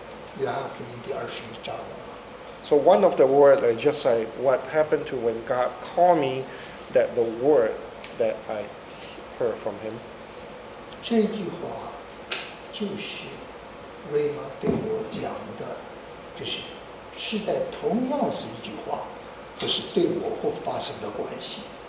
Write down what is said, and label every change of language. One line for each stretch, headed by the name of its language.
Chinese: 就我们就说第二个字是告诉我们，就是有的时候或我在讲，就是我当时神呼召我是用神的话，就是你爱我比这些更深嘛，这是在约翰福音第二十一章的嘛。
English: So one of the words I just say, what happened to when God called me, that the word that I heard from him.
Chinese: 这句话就是 Rhema 对我讲的，就是在同样是一句话，可是对我或发生的关系。